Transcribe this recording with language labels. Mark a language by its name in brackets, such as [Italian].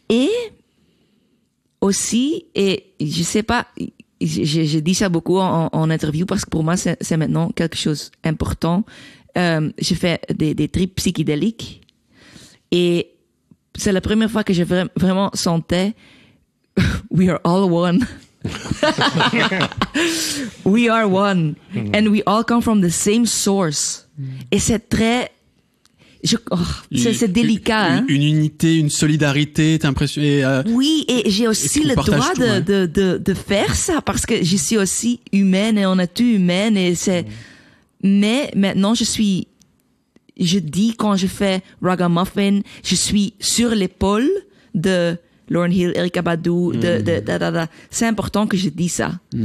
[French] Et aussi, et je sais pas, je dis ça beaucoup en interview parce que pour moi, c'est maintenant quelque chose d'important. Je fais des trips psychédéliques. Et c'est la première fois que je vraiment sentais, [English] we are all one. We are one and we all come from the same source. [French] Et c'est très c'est délicat, hein? Une unité, une solidarité, t'as l'impression, oui, et j'ai aussi le droit tout, de faire ça parce que je suis aussi humaine et on est tous humaines et c'est mais maintenant je dis quand je fais Ragamuffin, je suis sur l'épaule de Lauryn Hill, Erykah Badu, c'est important que je dis ça.